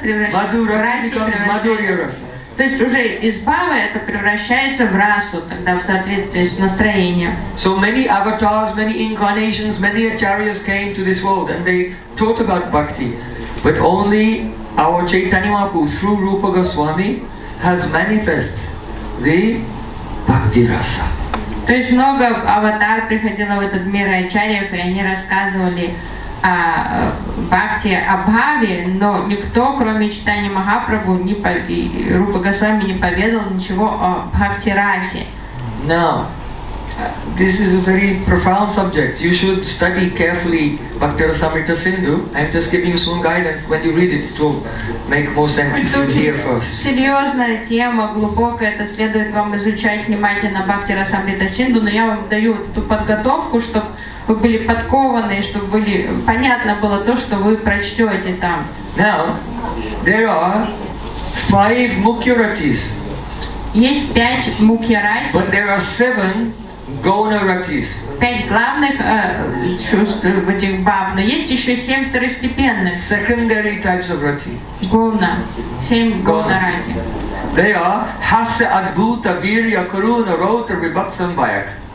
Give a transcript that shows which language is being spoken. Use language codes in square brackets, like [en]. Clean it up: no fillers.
[ru] превращается в Madhurya-rasa. То есть уже из бхавы это превращается в расу, тогда в соответствии с настроением. [en] So many avatars, many incarnations, many acharyas came to this world and they taught about bhakti. But only our Chaitanya Mahaprabhu through Rupa Goswami has manifested the bhakti rasa. [ru] То есть много аватар приходило в этот мир ачарьев, и они рассказывали о бхакти, о бхаве, но никто, кроме Чайтаньи Махапрабху не и Рупа Госвами не поведал ничего о бхакти расе. [en] Now, this is a very profound subject. You should study carefully Bhakti Rasamrita Sindhu. I'm just giving you some guidance when you read it to make more sense if you hear first. [ru] Серьезная тема, глубокая, это следует вам изучать внимательно Бхакти Расамрита Синду, но я вам даю эту подготовку, чтобы вы были подкованы, чтобы были понятно было то, что вы прочтете там. [en] Now, there are five mukhyaratis. [ru] Есть пять мукхярати. [en] But there are seven gonaratis. [ru] Пять главных чувств в этих бав, но есть еще семь второстепенных. [en] Secondary types of rati. [ru] Гона. Семь гонарати. [en] They are hasya, adbhuta, virya, karuna, rota, vibhatsam, bayak.